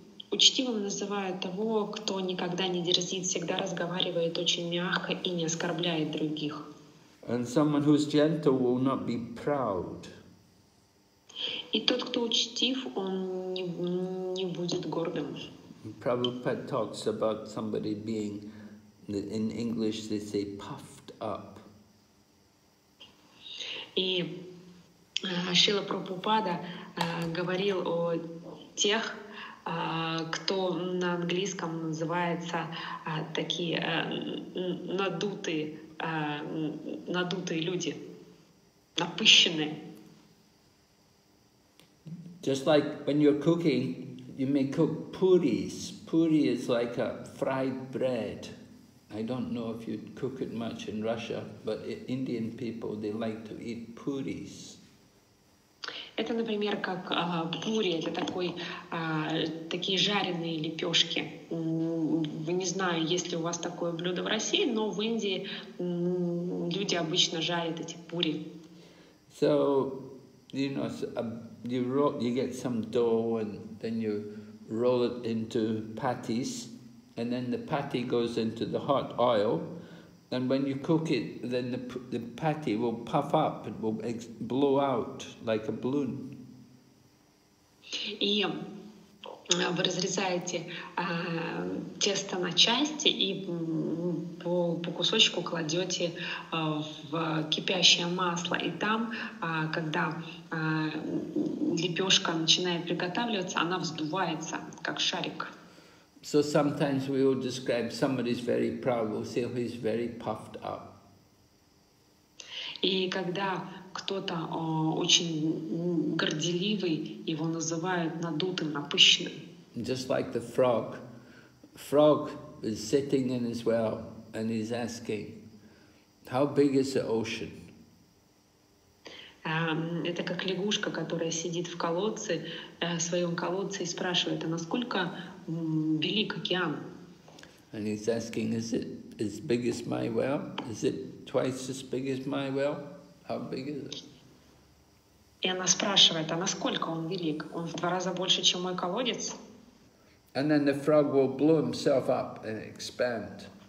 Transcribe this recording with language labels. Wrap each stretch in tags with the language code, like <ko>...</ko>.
<ru>Учтивым называют того, кто никогда не дерзит, всегда разговаривает очень мягко и не оскорбляет других.</ru> <en>And someone who's gentle will not be proud.</en> <ru>И тот, кто учтив, он не будет гордым.</ru> <en>Prabhupada talks about somebody being, in English they say, puffed up.</en> <ru>И Шрила Прабхупада говорил о тех, кто на английском называется такие надутые люди, напыщенные.</ru> <en>Just like when you're cooking, you may cook puris. Puri is like a fried bread. I don't know if you'd cook it much in Russia, but Indian people, they like to eat puris.</en> <ru>Это, например, как пури, это такие жареные лепешки. Не знаю, есть ли у вас такое блюдо в России, но в Индии люди обычно жарят эти пури.</ru> <en>So, you know, you get some dough and then you roll it into patties, and then the patty goes into the hot oil. And when you cook it, then the patty will puff up, it will blow out like a balloon.</en> <ru>И вы разрезаете тесто на части и по кусочку кладете в кипящее масло. И там, когда лепешка начинает приготавливаться, она вздувается, как шарик.</ru> <en>So sometimes we will describe somebody is very proud, we'll say he's very puffed up.</en> <ru>И когда кто-то очень горделивый, его называют надутым, напыщенным.</ru> <en>Just like the frog. Frog is sitting in his well and he's asking, how big is the ocean?</en> <ru>Это как лягушка, которая сидит в колодце, в своем колодце и спрашивает, а насколько велик океан?</ru> <en>And he's asking, is it as big as my well? Is it twice as big as my well? How big is it?</en> <ru>И она спрашивает, а насколько он велик? Он в два раза больше, чем мой колодец?</ru> <en>And then the frog will blow himself up and expand.</en>